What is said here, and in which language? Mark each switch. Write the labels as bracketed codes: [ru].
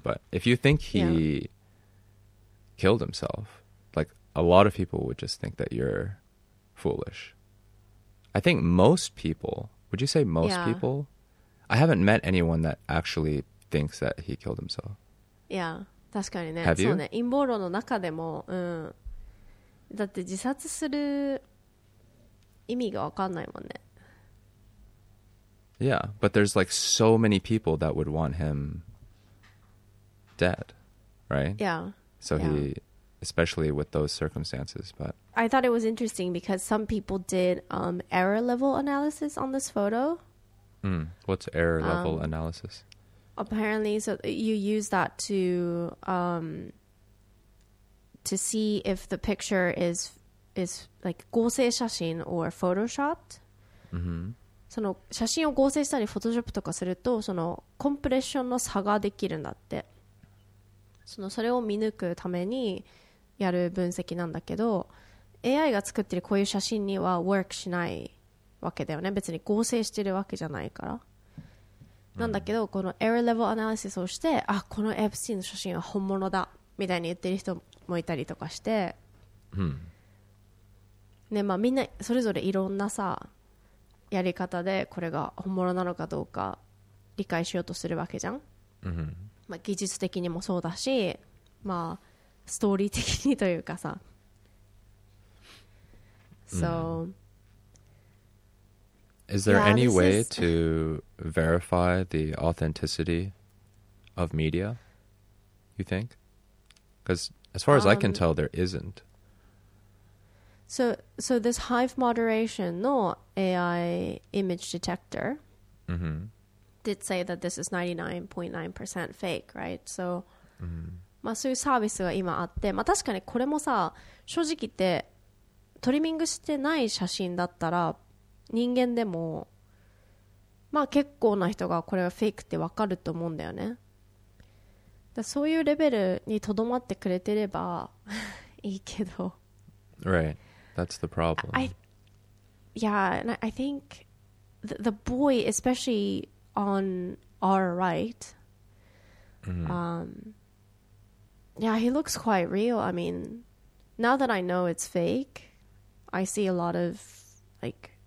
[en] But if you think he killed himself, like a lot of people would just think that you're foolish. I think most people, would you say most people? I haven't met anyone that actually thinks that he killed himself. [ja] Yeah. 確かにね、そうね、陰謀論の中でも、うん、だって自殺する意味が分かんないもんね。 [en] Yeah, but there's like so many people that would want him dead, right? Yeah. So he, especially with those circumstances, but... I thought it was interesting because some people did error level analysis on this photo. Mm, what's error level analysis? Apparently, so you use that to see if the picture is like 合成写真 or photoshopped. Mm-hmm. [ja] その写真を合成したりフォトショップとかするとそのコンプレッションの差ができるんだって。そのそれを見抜くためにやる分析なんだけど、AI が作ってるこういう写真にはワークしないわけだよね。別に合成してるわけじゃないから。なんだけど、このエラーレベルアナリシスをして、あ、このエプスティンの写真は本物だみたいに言ってる人もいたりとかして、うん、ね、まあみんなそれぞれいろんなさやり方でこれが本物なのかどうか理解しようとするわけじゃん、うん、まあ、技術的にもそうだし、まあストーリー的にというかさ、うん、So [en] is there any way to verify the authenticity of media, you think? Because as far as I can tell, there isn't. So this Hive Moderation no AI image detector mm-hmm. did say that this is 99.9% fake, right? So, mm-hmm. [ja] まあそういうサービスが今あって、まあ確かにこれもさ、正直言ってトリミングしてない写真だったら人間でもまあ結構な人がこれはフェイクって分かると思うんだよね。だそういうレベルにとどまってくれてればいいけど。 [en] Right, that's the problem. I think the boy, especially on our right,、 mm-hmm. Yeah, he looks quite real. I mean, now that I know it's fake, I see a lot of like...